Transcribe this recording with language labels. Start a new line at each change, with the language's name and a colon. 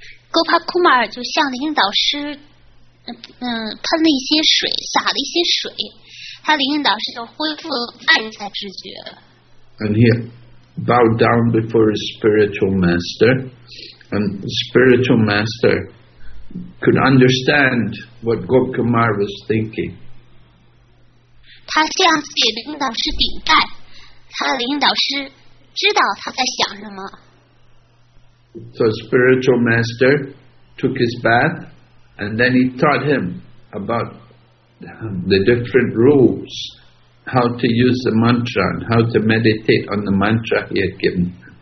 Chinese: Gopal Kumar 就向灵性导师，喷了一些水，洒了一些水，他灵性导师就恢复了外在知觉。
English: And he bowed down before his spiritual master, and the spiritual master could understand what Gop Kumar was thinking.
Chinese: 他向自己灵性导师顶盖。他的灵性导师知道他在想什么。
English: So spiritual master took his bath and then he taught him about the different rules, how to use the mantra and how to meditate on the mantra he had given.